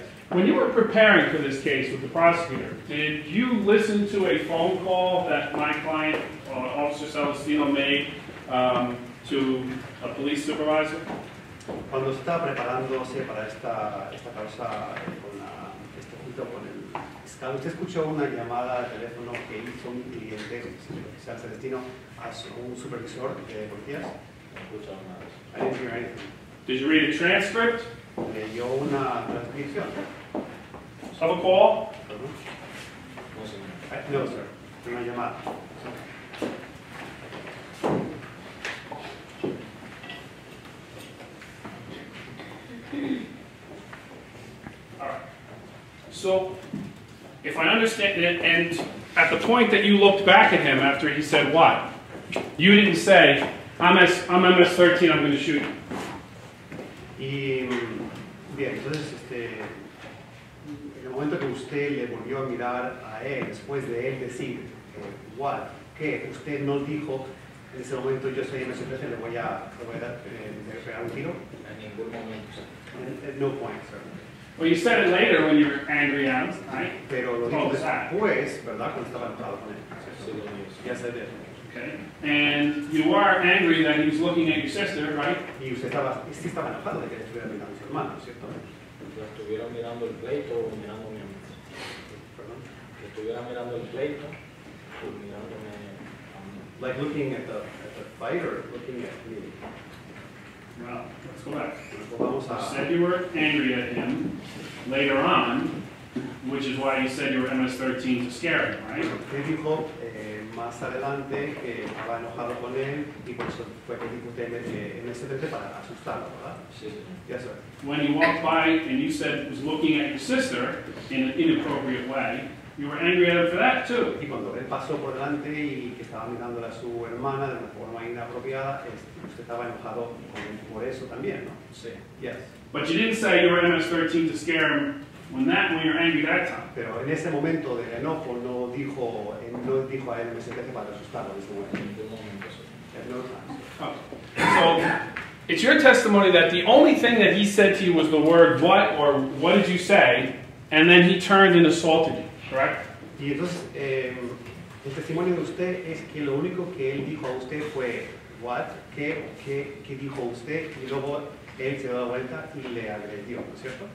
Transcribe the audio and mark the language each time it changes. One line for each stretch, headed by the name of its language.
English: When you were preparing for this case with the prosecutor, did you listen to a phone call that my client, Officer Celestino, made to a police supervisor?
Spanish: Cuando estaba preparándose para esta causa con este junto con el fiscal, usted escuchó una llamada de teléfono que hizo un cliente, Cesar Celestino, a un supervisor de policías.
English: I didn't hear anything. Did you read a transcript?
Spanish: Leyó una transcripción.
English: Have a call? Uh-huh. No, sir.
Spanish: Una llamada.
English: All right. So, if I understand it, and at the point that you looked back at him after he said what, you didn't say, I'm MS-13, I'm going to shoot you.
Spanish: Y bien, entonces en el momento que usted le volvió a mirar a él, después de él decir, what, que usted no dijo, en ese momento yo soy MS-13, le voy a pegar un tiro. En ningún momento.
English: No point, sir. Well, you said it later when you were angry at him, right?
Spanish: Pero lo dijo después, ¿verdad? Cuando estaba enojado con él.
English: Yes, I did. Okay. And you are angry that he's looking at your sister, right?
Spanish: Y usted estaba, sí estaba enojado de que estuviera mirando a su hermano, ¿cierto? Que estuviera mirando el pleito o mirando a mi amigo. Perdón. Que estuviera mirando el pleito o mirando a mi amigo.
English: Like looking at the fight or looking at me. Well, let's go back.
Spanish: Vamos a.
English: You said you were angry at him later on, which is why you said you were MS-13 to scare him, right?
Spanish: ¿Qué dijo? Más adelante que estaba enojado con él y por eso fue que dijo usted en ese frente para asustarlo, ¿verdad? Sí, sí.
English: Yes, sir. When you walked by and you said was looking at your sister in an inappropriate way, you were angry at him for that too.
Spanish: Y cuando él pasó por delante y que estaba mirando a su hermana de una forma inapropiada, usted estaba enojado con él por eso también, ¿no? Sí.
English: Yes. But you didn't say you were MS-13 to scare him. When you're angry that time.
Spanish: Pero en ese momento de enojo no dijo a él me senté para asustarlo en ese momento. En ningún momento.
English: So it's your testimony that the only thing that he said to you was the word what or what did you say, and then he turned and assaulted you, correct?
Spanish: Y entonces el testimonio de usted es que lo único que él dijo a usted fue what, qué dijo usted y luego él se dio la vuelta y le agredió, ¿no es cierto?